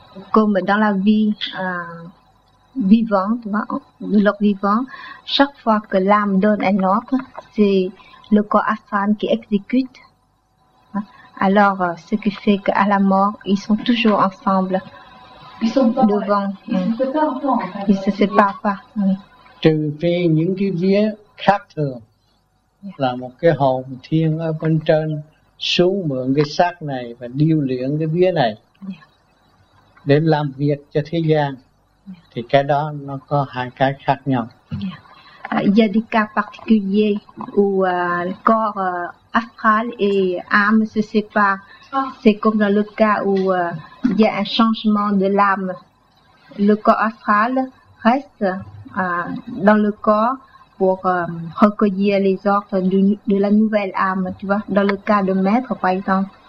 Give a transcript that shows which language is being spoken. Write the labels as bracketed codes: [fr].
[fr] Comme dans la vie vivant, de leur vivant, chaque fois que l'âme donne un ordre, c'est le corps astral qui exécute. Alors, ce qui fait qu'à la mort, ils sont toujours ensemble. Ils sont pas devant. Ils se séparent pas. [vi] Trừ phi những cái vía khác thường, là một cái hồn thiên ở bên trên xuống mượn cái xác này và điêu luyện cái vía này để làm việc cho thế gian. Thì cái đó nó có hai cái khác nhau. [fr] Il y a des cas particuliers où le corps astral et âme se séparent. C'est comme dans le cas où il y a un changement de l'âme. Le corps astral reste dans le corps pour recueillir les ordres de la nouvelle âme, tu vois, dans le cas de maître par exemple.